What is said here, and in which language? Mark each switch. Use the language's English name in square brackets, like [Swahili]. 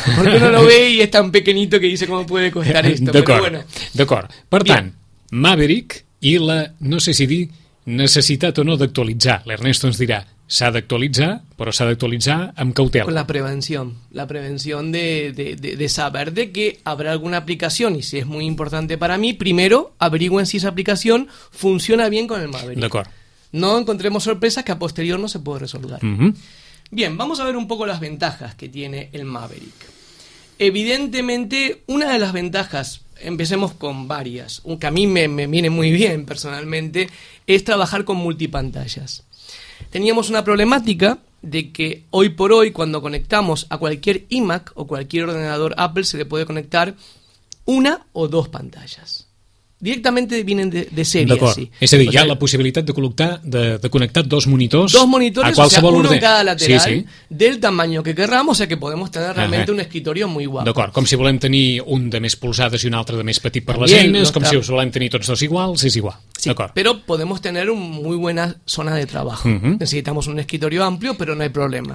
[Spanish] Porque uno lo ve y es tan pequeñito que dice cómo puede costar esto. [Catalan] D'acord, [Spanish] pero bueno. [Catalan] D'acord. Per bien, tant, Maverick i la, no sé si dir, necessitat o no d'actualitzar. L'Ernesto ens dirà, s'ha d'actualitzar, però s'ha d'actualitzar amb cautela. [Spanish] Con la prevenció de saber de que habrá alguna aplicación, y si es muy importante para mí, primero averigüen si esa aplicación funciona bien con el Maverick. [Catalan] D'acord. [Spanish] No encontremos sorpresas que a posterior no se puede resolver. Uh-huh. Bien, vamos a ver un poco las ventajas que tiene el Maverick. Evidentemente, una de las ventajas, empecemos con varias, que a mí me viene muy bien personalmente, es trabajar con multipantallas. Teníamos una problemática de que hoy por hoy cuando conectamos a cualquier iMac o cualquier ordenador Apple se le puede conectar una o dos pantallas. Directamente vienen de serie. [Catalan] D'acord. Así. És a dir, o hi ha la possibilitat de connectar dos monitors a qualsevol ordenador. [Spanish] O sea, uno en cada lateral, sí, sí, del tamaño que querramos, o sea que podemos tener realmente un escritorio muy guapo. [Catalan] D'acord, com si volem tenir un de més polzades i un altre de més petit per les eines, nostre... com si us volem tenir tots dos iguals, és igual. [Spanish] Sí, pero podemos tener una muy buena zona de trabajo. Uh-huh. Necesitamos un escritorio amplio, pero no hay problema.